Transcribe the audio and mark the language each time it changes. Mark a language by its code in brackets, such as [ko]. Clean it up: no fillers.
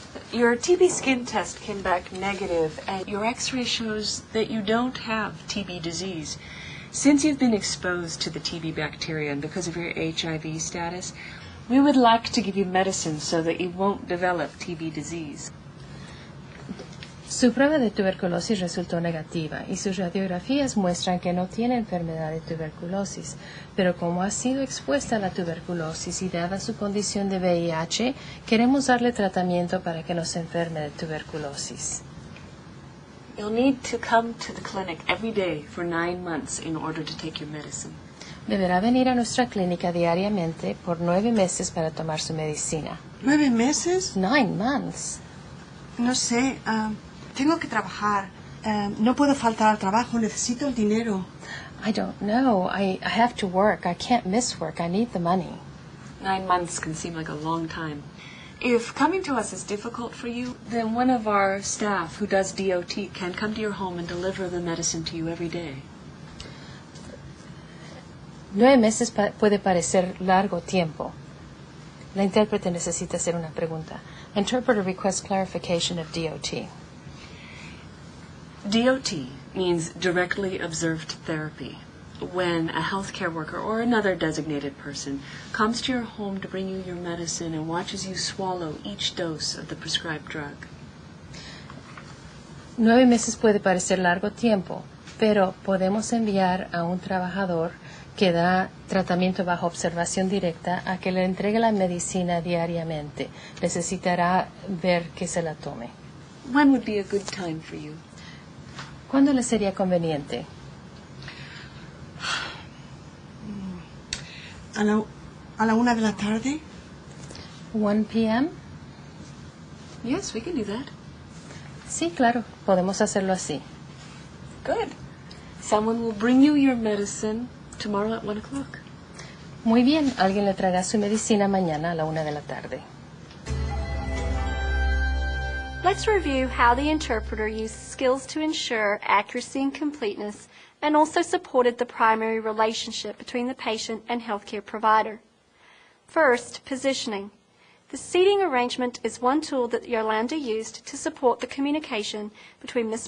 [en] Your TB skin test came back negative, and your x-ray shows that you don't have TB disease. Since you've been exposed to the TB bacteria and because of your HIV status, we would like to give you medicine so that you won't develop TB disease. [es] Su prueba de tuberculosis resultó negativa y sus radiografías muestran que no tiene enfermedad de tuberculosis. Pero como ha sido expuesta a la tuberculosis y dada su condición de VIH, queremos darle tratamiento para que no se enferme de tuberculosis. [en] You'll need to come to the clinic every day for 9 months in order to take your medicine. [es] Deberá venir a nuestra clínica diariamente por 9 meses para tomar su medicina. ¿9 meses? [en] 9 months. [es] No sé. Tengo que trabajar. No puedo faltar al trabajo. Necesito el dinero. [en] I don't know. I have to work. I can't miss work. I need the money. 9 months can seem like a long time. If coming to us is difficult for you, then one of our staff who does DOT can come to your home and deliver the medicine to you every day. [es] 9 meses puede parecer largo tiempo. La intérprete necesita hacer una pregunta. [en] Interpreter requests clarification of DOT. DOT means directly observed therapy. When a healthcare worker or another designated person comes to your home to bring you your medicine and watches you swallow each dose of the prescribed drug. [es] 9 meses puede parecer largo tiempo, pero podemos enviar a un trabajador que da tratamiento bajo observación directa a que le entregue la medicina diariamente. Necesitará ver que se la tome. [en] When would be a good time for you? [es] ¿Cuándo le sería conveniente? A la 1 de la tarde. [en] 1 p.m. Yes, we can do that. [es] Sí, claro, podemos hacerlo así. [en] Good. Someone will bring you your medicine tomorrow at 1 o'clock. [es] Muy bien, alguien le traerá su medicina mañana a la 1 de la tarde. [en] Let's review how the interpreter used skills to ensure accuracy and completeness and also supported the primary relationship between the patient and healthcare provider. First, positioning. The seating arrangement is one tool that Yolanda used to support the communication between Ms.